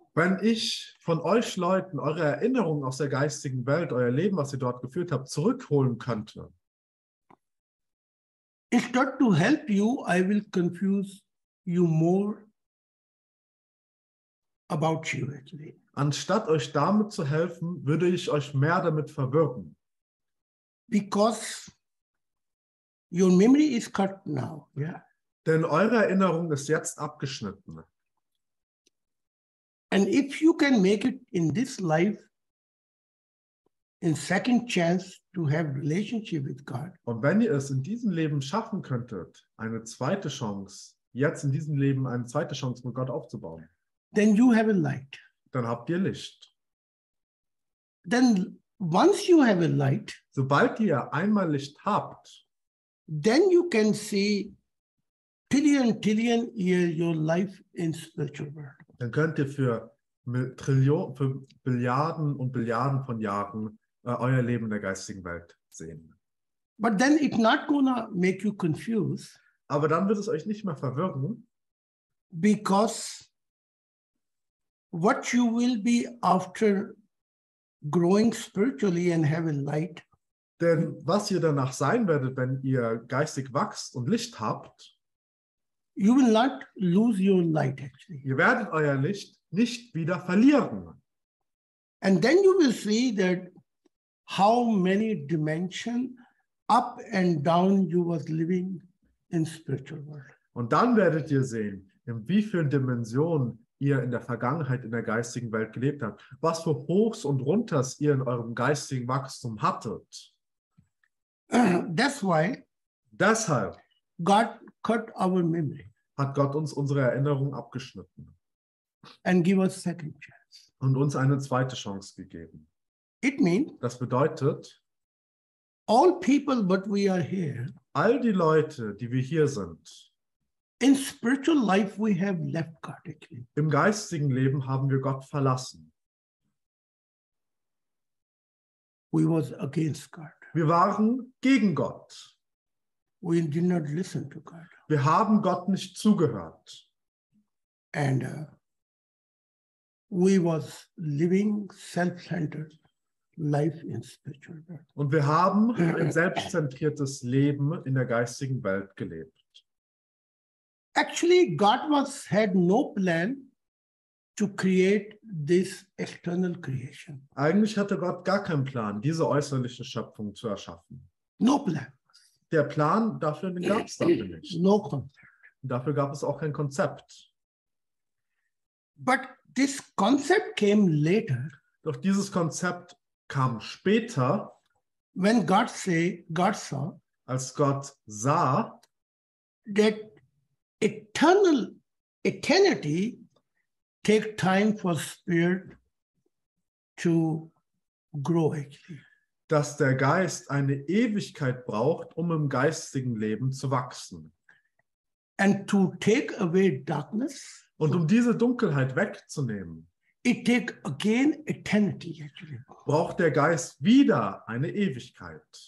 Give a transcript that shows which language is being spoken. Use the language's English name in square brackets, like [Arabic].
[German] wenn ich von euch Leuten eure Erinnerungen aus der geistigen Welt, euer Leben, was ihr dort geführt habt, zurückholen könnte, [English] instead to help you, I will confuse you more about you, actually. [German] Anstatt euch damit zu helfen, würde ich euch mehr damit verwirren. [English] Because your memory is cut now, yeah? [German] Denn eure Erinnerung ist jetzt abgeschnitten. [English] And if you can make it in this life in second chance to have relationship with God. [German] Und wenn ihr es in diesem Leben schaffen könntet, eine zweite Chance, jetzt in diesem Leben eine zweite Chance mit Gott aufzubauen. [English] Then you have a light. [German] Dann habt ihr Licht. [English] Then once you have a light, [German] sobald ihr einmal Licht habt, [English] then you can see trillion year your life in spiritual world. [German] Dann könnt ihr für Billiarden und Billiarden von Jahren euer Leben in der geistigen Welt sehen. [English] But then it's not gonna make you confused. [German] Aber dann wird es euch nicht mehr verwirren. [English] Because what you will be after growing spiritually and having light. [German] Denn was ihr danach sein werdet, wenn ihr geistig wachst und Licht habt, [English] you will not lose your light actually. [German] Ihr werdet euer Licht nicht wieder verlieren. [English] And then you will see that how many dimensions up and down you was living in spiritual world. [German] Und dann werdet ihr sehen, in wie vielen Dimensionen ihr in der Vergangenheit in der geistigen Welt gelebt habt, was für Hochs und Runters ihr in eurem geistigen Wachstum hattet. [English] That's why. [German] Deshalb. [English] God cut our memory. [German] Hat Gott uns unsere Erinnerung abgeschnitten. [English] And give us second chance. [German] Und uns eine zweite Chance gegeben. [English] It means. [German] Das bedeutet. [English] All people, but we are here. [German] All die Leute, die wir hier sind. [English] In spiritual life, we have left God. [German] Im geistigen Leben haben wir Gott verlassen. [English] We was against God. [German] Wir waren gegen Gott. [English] We did not listen to God. [German] Wir haben Gott nicht zugehört. [English] And we was living self-centered life in spiritual world. [German] Und wir haben ein selbstzentriertes Leben in der geistigen Welt gelebt. [English] Actually, God was had no plan to create this external creation. [German] Eigentlich hatte Gott gar keinen Plan, diese äußerliche Schöpfung zu erschaffen. [English] No plan. [German] Der Plan dafür gab es dafür nicht. [English] No concept. [German] Dafür gab es auch kein Konzept. [English] But this concept came later. [German] Doch dieses Konzept kam später. [English] When God say, God saw, [German] als Gott sah, [English] that eternal eternity take time for spirit to grow. [German] Dass der Geist eine Ewigkeit braucht, um im geistigen Leben zu wachsen. [English] And to take away darkness. [German] Und um diese Dunkelheit wegzunehmen. [English] It take again eternity. [German] Braucht der Geist wieder eine Ewigkeit.